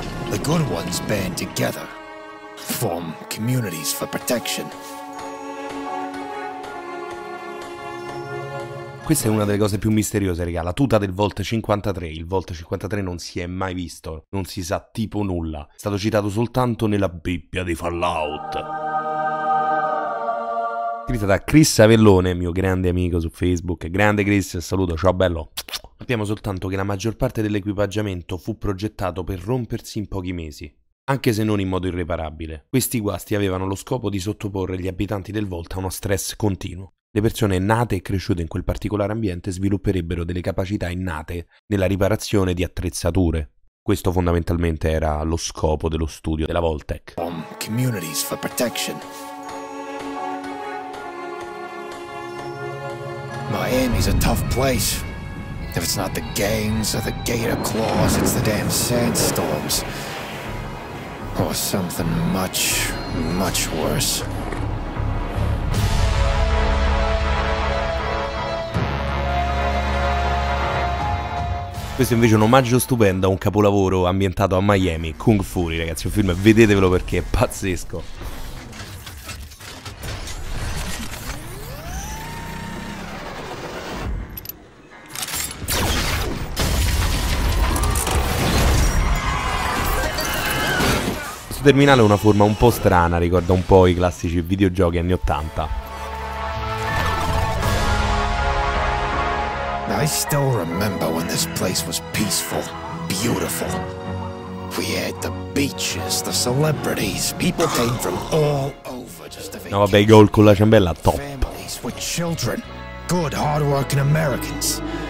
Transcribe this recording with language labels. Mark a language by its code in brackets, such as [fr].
[en] The good ones band together, form communities for protection. [it] Questa è una delle cose più misteriose, raga. La tuta del Vault 53. Il Vault 53 non si è mai visto. Non si sa tipo nulla. È stato citato soltanto nella Bibbia di Fallout. Scritta da Chris Avellone, mio grande amico su Facebook. Grande Chris, saluto, ciao bello. Sappiamo soltanto che la maggior parte dell'equipaggiamento fu progettato per rompersi in pochi mesi, anche se non in modo irreparabile. Questi guasti avevano lo scopo di sottoporre gli abitanti del Vault a uno stress continuo. Le persone nate e cresciute in quel particolare ambiente svilupperebbero delle capacità innate nella riparazione di attrezzature. Questo fondamentalmente era lo scopo dello studio della Vault-Tec. [en] Communities for protection. Miami's a tough place. If it's not the gangs or the gator claws, it's the damn sandstorms. Or something much, much worse. [it] Questo invece è un omaggio stupendo a un capolavoro ambientato a Miami, Kung Fury, ragazzi, un film, vedetevelo perché è pazzesco. Terminale ha una forma un po' strana, ricorda un po' i classici videogiochi anni 80. [en] I still remember when this place was peaceful, beautiful. We had the beaches, the celebrities, people came from all over just to vacation. [it] No, vabbè, i gol con la ciambella top. [en] Families with children, good hardworking Americans.